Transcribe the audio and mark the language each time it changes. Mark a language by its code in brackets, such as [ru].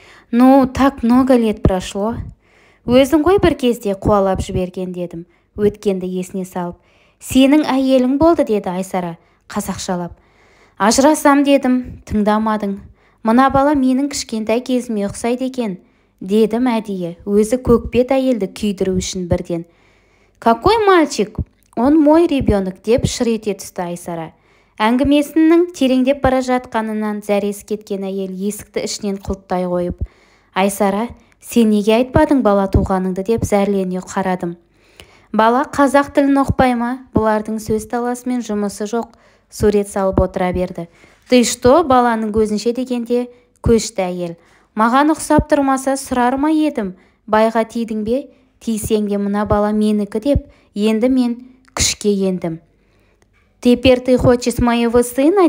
[ru] Ну, так много лет прошло. [kk] Өзің ғой бір кезде қуалап жіберген дедім. Өткенді есіне салып. Сенің әйелің болды деді Айсара қазақшалап. Ажырасам дедім, тыңдамадың. Мына бала менің кішкентай кезіме ұқсайды екен, дедім әдейі. Өзі көкбет әйелді күйдіру үшін бірден. [ru] Какой мальчик, он мой ребенок [kk] деп шыр ете түсті Айсара. Әңгімесінің тереңдеп бара жатқанынан зәресі кеткен әйел есікті ішінен құлттай қойып. Айсара, сен неге айтпадың бала туғаныңды деп зәрлене қарадым. Бала қазақ тілін оқпай ма? Бұлардың сөз таласымен жұмысы жоқ, сурет салып отыра берді. [ru] Ты что, [kk] баланың көзінше дегенде көшті әйел. Маған ұқсап тұрмаса сұрар ма едім, байға тидің бе? Тисең де мына бала менікі деп, енді мен күшке ендім. [ru] «Тепер ты хочешь моего сына?»